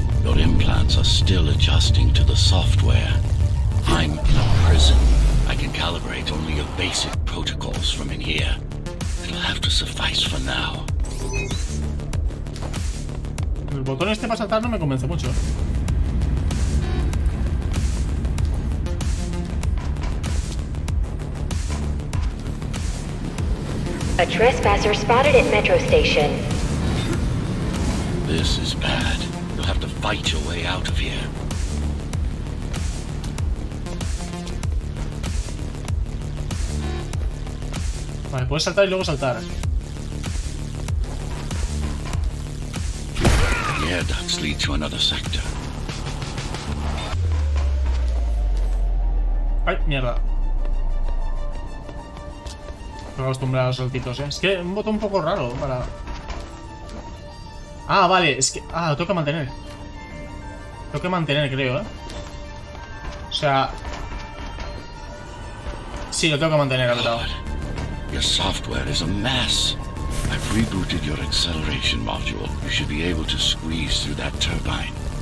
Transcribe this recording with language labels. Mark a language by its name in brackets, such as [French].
[English] Your implants are still adjusting to the software. I'm in a prison. I can calibrate only your basic protocols from in here. It'll have to suffice for now. [Spanish] El botón este para saltar no me convence mucho. [English] A trespasser spotted at metro station. This is bad. You'll have to fight your way out of here. [Spanish] Vale, puedes saltar y luego saltar. [English] The air ducts lead to another sector. [Spanish] Ay, mierda. Estoy acostumbrado a los saltitos, ¿eh? Es que un botón un poco raro para... Ah, vale, es que... Ah, lo tengo que mantener. Tengo que mantener, creo, ¿eh? O sea... Sí, lo tengo que mantener, al lado. [English] Your software is a mess. I've rebooted your acceleration module. You should be able to squeeze through that turbine.